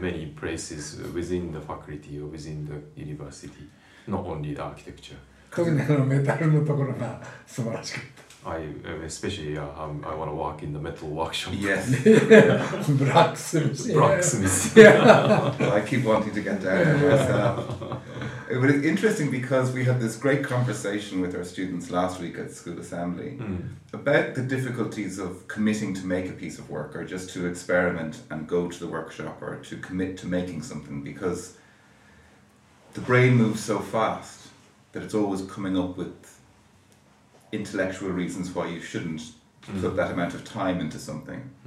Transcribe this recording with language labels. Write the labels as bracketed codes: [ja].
[en] many places within the faculty or within the university, not only the architecture. [ja] 特にあのメタルのところが素晴らしかった。 [en] I especially want to work in the metal workshop. Yes. Blacksmith. Blacksmith. I keep wanting to get down there myself. But it's interesting because we had this great conversation with our students last week at school assembly about the difficulties of committing to make a piece of work or just to experiment and go to the workshop or to commit to making something because the brain moves so fast that it's always coming up with intellectual reasons why you shouldn't put that amount of time into something.